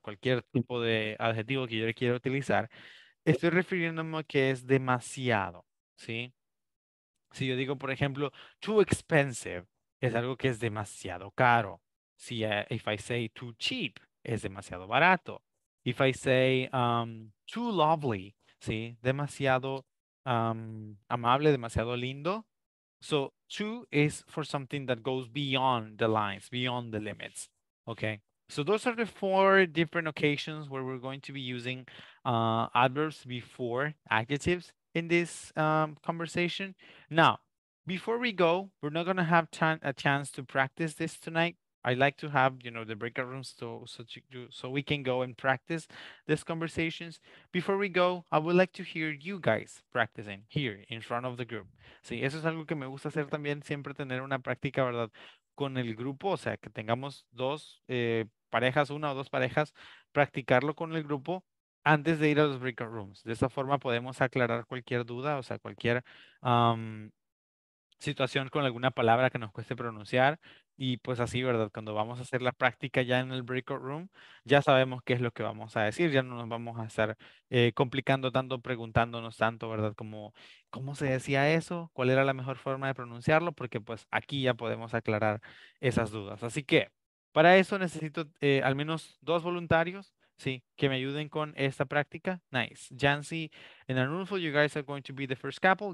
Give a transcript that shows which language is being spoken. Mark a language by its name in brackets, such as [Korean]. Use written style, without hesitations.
[Spanish] Cualquier tipo de adjetivo que yo quiera utilizar, estoy refiriéndome a que es demasiado, ¿sí? Si yo digo, por ejemplo, [English] too expensive, [Spanish] es algo que es demasiado caro. [English] Si, if I say too cheap, [Spanish] es demasiado barato. [English] If I say too lovely, ¿sí? Demasiado [Spanish] amable, demasiado lindo. [English] So two is for something that goes beyond the lines, beyond the limits. Okay. So those are the four different occasions where we're going to be using adverbs before adjectives in this conversation. Now, before we go, we're not going to have a chance to practice this tonight. I like to have, you know, the breakout rooms so we can go and practice these conversations. Before we go, I would like to hear you guys practicing here in front of the group. [Spanish] Sí, eso es algo que me gusta hacer también, siempre tener una práctica, ¿verdad?, con el grupo, o sea, que tengamos dos parejas, una o dos parejas, practicarlo con el grupo antes de ir a los breakout rooms. De esa forma podemos aclarar cualquier duda, o sea, cualquier situación con alguna palabra que nos cueste pronunciar. Y pues así, ¿verdad? Cuando vamos a hacer la práctica ya en el breakout room, ya sabemos qué es lo que vamos a decir. Ya no nos vamos a estar complicando tanto, preguntándonos tanto, ¿verdad? Como, ¿cómo se decía eso? ¿Cuál era la mejor forma de pronunciarlo? Porque pues aquí ya podemos aclarar esas dudas. Así que para eso necesito al menos dos voluntarios, ¿sí? Que me ayuden con esta práctica. Nice. [English] Yancy and Arnulfo, you guys are going to be the first couple.